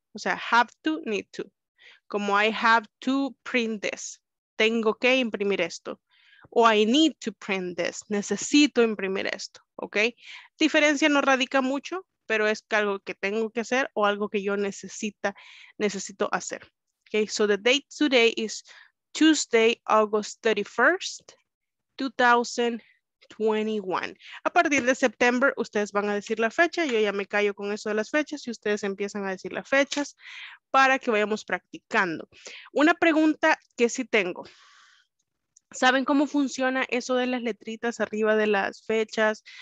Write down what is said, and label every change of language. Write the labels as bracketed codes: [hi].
[es] O sea, [en] have to, need to. [es] Como [en] I have to print this. [es] Tengo que imprimir esto. O [en] I need to print this. [es] Necesito imprimir esto. ¿Ok? Diferencia no radica mucho, pero es algo que tengo que hacer o algo que yo necesito hacer. ¿Ok? [en] So the date today is Tuesday, August 31st, 2021. [es] A partir de septiembre, ustedes van a decir la fecha. Yo ya me callo con eso de las fechas y ustedes empiezan a decir las fechas para que vayamos practicando. Una pregunta que sí tengo. ¿Saben cómo funciona eso de las letritas arriba de las fechas?